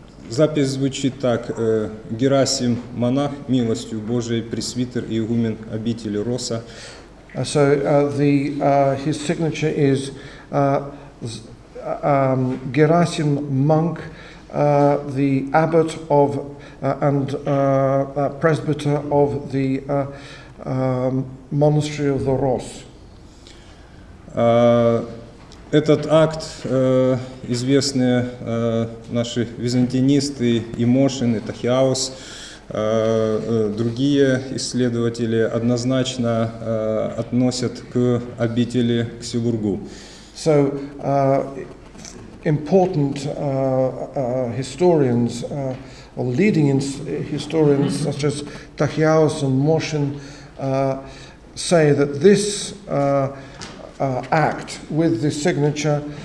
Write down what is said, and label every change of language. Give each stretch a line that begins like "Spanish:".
Russian: Запись звучит так: Герасим, монах, милостью Божией, пресвитер и игумен обители Роса.
English: So his signature is Герасим, monk, the abbot of presbyter of the monastery of the Rос.
Russian: Этот акт известные наши византинисты и Мошин, и Тахиаус, другие исследователи однозначно относят к обители Ксиургу.
English: So important historians or leading historians such as Тахиаус and Мошин say that this act with the signature